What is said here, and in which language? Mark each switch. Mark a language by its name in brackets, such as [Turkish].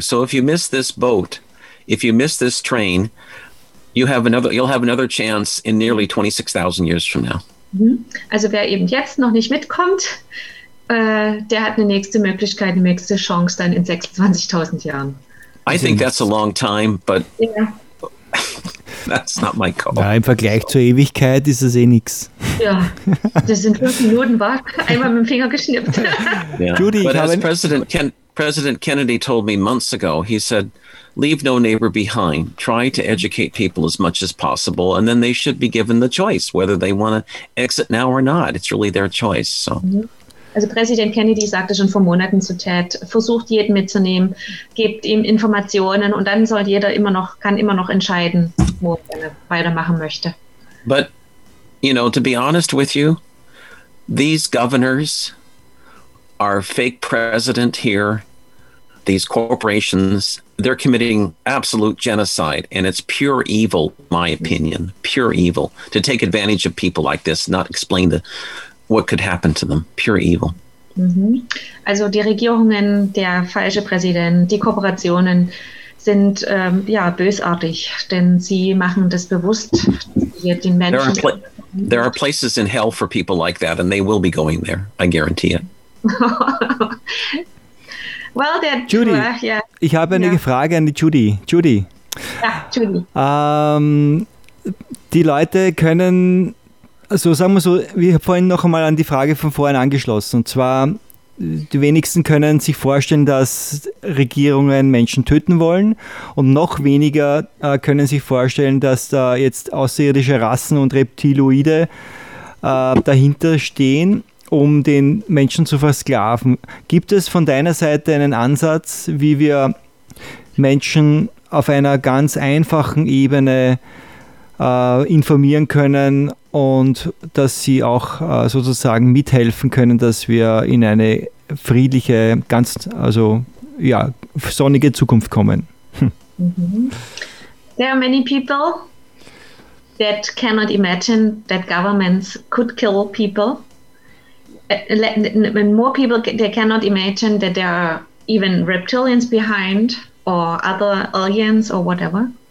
[English] So if you miss this boat, if you miss this train, you'll have another chance in nearly 26,000 years from now. [German] Also wer eben jetzt noch nicht mitkommt, der hat eine nächste Möglichkeit, eine nächste Chance dann in 26,000 Jahren. [English] I think that's a long time, but yeah. That's not my call. [German] Ja, im Vergleich zur Ewigkeit ist es eh nichts. Ja, das sind 5 Minuten, war einmal mit dem Finger geschnippt. [English] Yeah. Judy, but as President Kennedy told me months ago, he said, leave no neighbor behind. Try to educate people as much as possible, and then they should be given the choice, whether they want to exit now or not. It's really their choice. So. [German] Also Präsident Kennedy sagte schon vor Monaten zu Ted, versucht jeden mitzunehmen, gebt ihm Informationen und dann soll jeder immer noch entscheiden, wo er weitermachen möchte. [English] But, you know, to be honest with you, these governors, our fake president here, these corporations, they're committing absolute genocide, and it's pure evil, my opinion, pure evil, to take advantage of people like this, not explain the what could happen to them, pure evil. [German] Also die Regierungen, der falsche Präsident, die Kooperationen sind bösartig, denn sie machen das bewusst, den Menschen. [English] There are places in hell for people like that, and they will be going there, I guarantee it. Well, then, [German] Judy, ich habe eine Frage an die Judy. Judy. Ja, Judy. Die Leute können, also sagen wir so, wir haben vorhin noch einmal an die Frage von vorhin angeschlossen. Und zwar, die wenigsten können sich vorstellen, dass Regierungen Menschen töten wollen. Und noch weniger können sich vorstellen, dass da jetzt außerirdische Rassen und Reptiloide dahinter stehen, um den Menschen zu versklaven. Gibt es von deiner Seite einen Ansatz, wie wir Menschen auf einer ganz einfachen Ebene informieren können und dass sie auch sozusagen mithelfen können, dass wir in eine friedliche, ganz, also ja, sonnige Zukunft kommen? [English] There are many people that cannot imagine that governments could kill people. More people, they cannot imagine that there are even reptilians behind or other aliens or whatever.